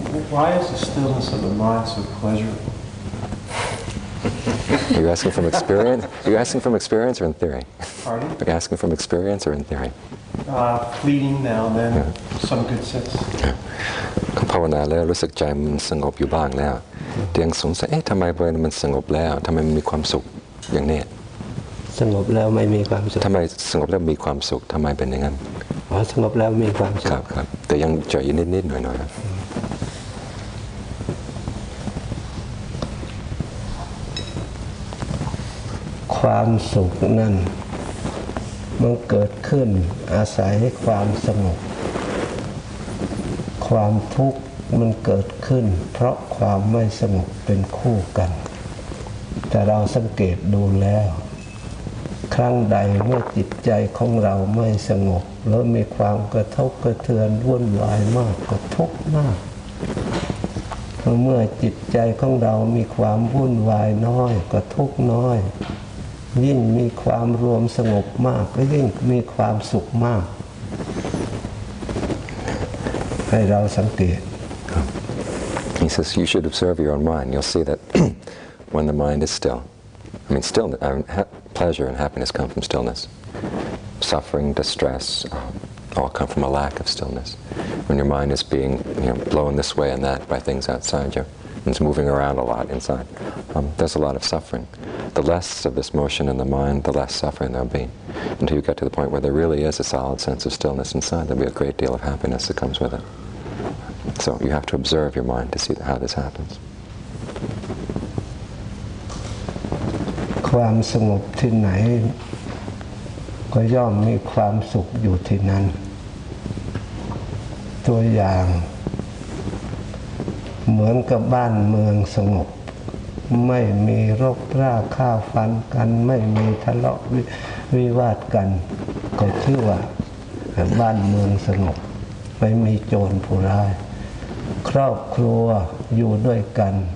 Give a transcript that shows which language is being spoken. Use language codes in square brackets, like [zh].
[en] Why is the stillness of the mind so pleasurable? Are you asking from experience? Are you asking from experience or in theory? Pardon? Are you asking from experience or in theory? Fleeting now and then, yeah. Some good sense. Yeah. [th] ภาวนาแล้วรู้สึกใจมันสงบอยู่บ้างแล้วเตียงสงสัยเอ๊ะทำไมบริเวณมันสงบแล้วทำไมมันมีความสุขอย่างนี้สงบแล้วไม่มีความสุข ทำไมสงบแล้วมีความสุขทำไมเป็นอย่างนั้น อ๋อสงบแล้วมีความสุข ครับครับแต่ยังใจยังนิดๆหน่อยๆครับ ความสุขนั่นมันเกิดขึ้นอาศัยความสงบความทุกข์มันเกิดขึ้นเพราะความไม่สงบเป็นคู่กันแต่เราสังเกตดูแล้วครั้งใดเมื่อจิตใจของเราไม่สงบแล้วมีความกระทบกระเทือนวุ่นวายมากก็ทุกข์มาก เมื่อจิตใจของเรามีความวุ่นวายน้อยก็ทุกข์น้อยยิ่งมีความรวมสงบมากก็ยิ่งมีความสุขมาก [en] He says, you should observe your own mind. You'll see that when the mind is still, I mean, pleasure and happiness come from stillness. Suffering, distress, all come from a lack of stillness. When your mind is being blown this way and that by things outside you, and it's moving around a lot inside, there's a lot of suffering. The less of this motion in the mind, the less suffering there'll be. Until you get to the point where there really is a solid sense of stillness inside, there'll be a great deal of happiness that comes with it. So you have to observe your mind to see how this happens. [th] ความสงบที่ไหนก็ย่อมมีความสุขอยู่ที่นั้นตัวอย่างเหมือนกับบ้านเมืองสงบไม่มีรบราฆ่าฟันกันไม่มีทะเลาะวิวาทกันก็ชื่อว่าบ้านเมืองสงบไม่มีโจรผู้ร้ายครอบครัวอยู่ด้วยกัน